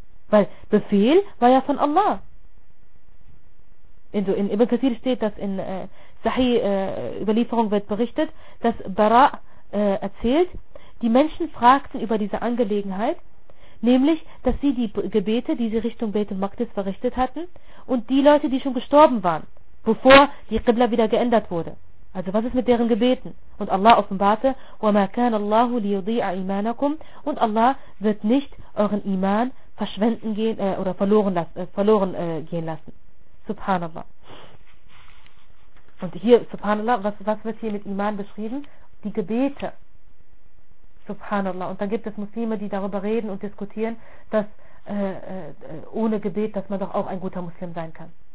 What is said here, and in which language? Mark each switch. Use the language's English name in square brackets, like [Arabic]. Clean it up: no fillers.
[German] Weil Befehl war ja von Allah. In Ibn Kathir steht, dass in Sahih Überlieferung wird berichtet, dass Bara erzählt, die Menschen fragten über diese Angelegenheit, nämlich, dass sie die Gebete, die sie Richtung Beit al-Maqdis verrichtet hatten, und die Leute, die schon gestorben waren, bevor die Qibla wieder geändert wurde. Also was ist mit deren Gebeten? Und Allah offenbarte, [Arabic] وَمَا كَانَ اللَّهُ لِيُضِيعَ إِيمَانَكُمْ. [German] Und Allah wird nicht euren Iman verschwenden gehen oder verloren gehen lassen. Subhanallah. Und hier, Subhanallah, was wird hier mit Iman beschrieben? Die Gebete. Subhanallah. Und dann gibt es Muslime, die darüber reden und diskutieren, dass ohne Gebet, dass man doch auch ein guter Muslim sein kann.